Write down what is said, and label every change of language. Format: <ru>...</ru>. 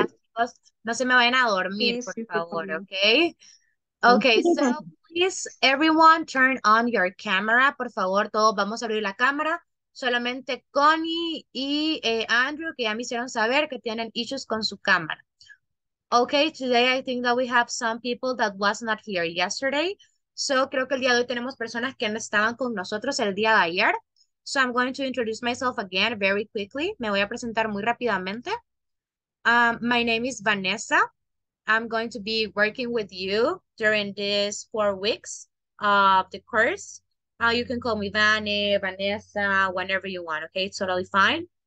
<es>chicos. No se me vayan a dormir, Sí, por te favor, comprendo.</es> <en>okay? Okay, so please everyone turn on your camera,</en> <es>por favor, todos vamos a abrir la cámara. Solamente Connie y Andrew, que ya me hicieron saber que tienen issues con su cámara.</es> <en>Okay, today I think that we have some people that was not here yesterday.</en> <es>So creo que el día de hoy tenemos personas que no estaban con nosotros el día de ayer.</es> <en>So I'm going to introduce myself again very quickly.</en> <es>Me voy a presentar muy rápidamente.</es> <en>My name is Vanessa. I'm going to be working with you during these 4 weeks of the course. You can call me Vane, Vanessa, whenever you want, okay? It's totally fine.</en>